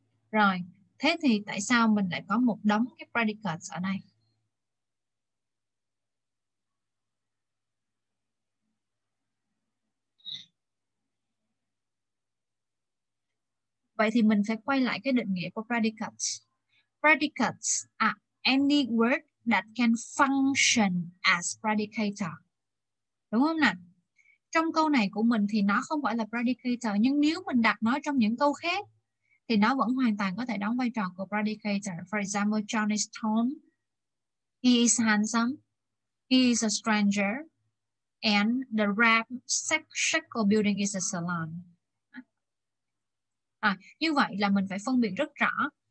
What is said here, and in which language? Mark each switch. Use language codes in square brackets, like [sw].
[vi] Rồi, thế thì tại sao mình lại có một đống cái predicates ở đây? Vậy thì mình phải quay lại cái định nghĩa của predicates. [en] Predicates are any word that can function as predicator. [vi] Đúng không nào? Trong câu này của mình thì nó không phải là predicator, nhưng nếu mình đặt nó trong những câu khác thì nó vẫn hoàn toàn có thể đóng vai trò của predicator. [en] For example, John is tall, he is handsome, he is a stranger, and the red circle building is a salon. [vi] À, như vậy là mình phải phân biệt rất rõ